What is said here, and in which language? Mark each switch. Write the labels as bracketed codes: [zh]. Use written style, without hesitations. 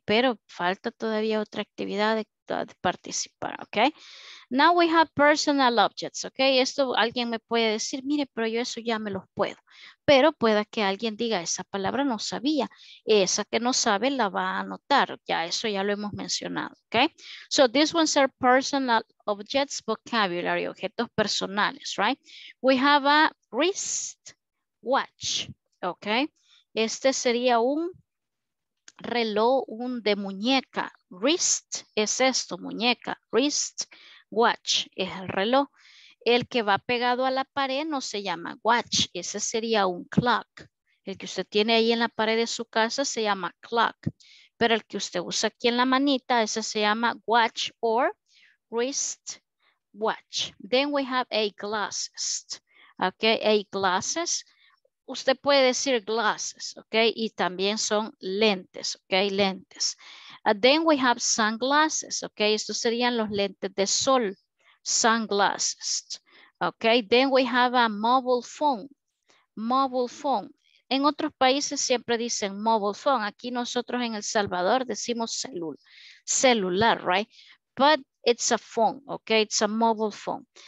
[es] Pero falta todavía otra actividad de participar, ok. [en] Now we have personal objects, [es] ok. Esto alguien me puede decir, mire, pero yo eso ya me los puedo, pero pueda que alguien diga, esa palabra no sabía, esa que no sabe la va a anotar, ya eso ya lo hemos mencionado, ok. [en] So these ones are personal objects, vocabulary, [es] objetos personales, [en] right. We have a wrist watch, ok. [es] Este sería un reloj, un de muñeca. Wrist es esto, muñeca. Wrist watch es el reloj. El que va pegado a la pared no se llama watch. Ese sería un clock. El que usted tiene ahí en la pared de su casa se llama clock. pero el que usted usa aquí en la manita, ese se llama watch or wrist watch. [en] Then we have a glasses. Okay, a glasses. [es] Usted puede decir glasses, okay, y también son lentes, okay, lentes. [en] Then we have sunglasses, okay, [es] estos serían los lentes de sol, [en] sunglasses, okay. Then we have a mobile phone, mobile phone. [es] En otros países siempre dicen mobile phone. Aquí nosotros en El Salvador decimos celular, right? [en] But it's a phone, okay, it's a mobile phone.